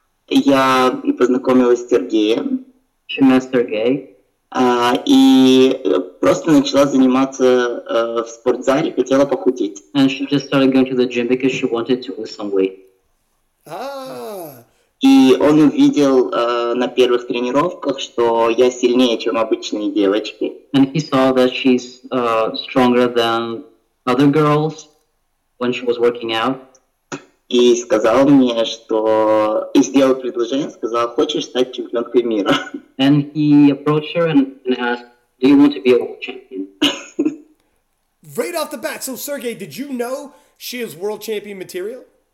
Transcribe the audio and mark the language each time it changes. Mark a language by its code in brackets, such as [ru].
[ru] Я познакомилась с Сергеем. Чем с Сергеем? И просто начала заниматься в спортзале, хотела похудеть. [en] And she just started going to the gym because she wanted to lose some weight. [ru] И он увидел на первых тренировках, что я сильнее, чем обычные девочки. [en] And he saw that she's stronger than other girls when she was working out. [ru] И сказал мне, что... И сделал предложение, сказал, хочешь стать чемпионкой мира? [en] And he approached her and asked, do you want to be a world champion? Right off the bat. So, Sergey, did you know she is world champion material?